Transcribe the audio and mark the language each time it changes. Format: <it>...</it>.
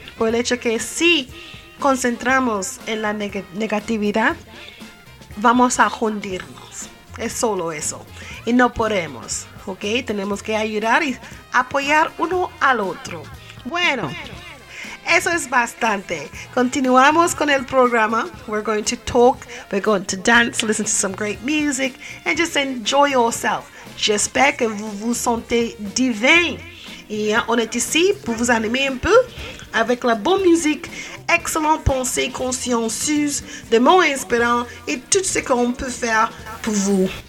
<es>por el hecho que si concentramos en la negatividad, vamos a hundirnos. Es solo eso. Y no podemos, ¿ok? Tenemos que ayudar y apoyar uno al otro. Bueno, eso es bastante. Continuamos con el programa.</es> <en>We're going to talk, we're going to dance, listen to some great music, and just enjoy yourself.</en> <fr>J'espère que vous vous sentez divin. Et on est ici pour vous animer un peu avec la bonne musique, excellente pensée consciencieuse, des mots inspirants et tout ce qu'on peut faire pour vous.</fr>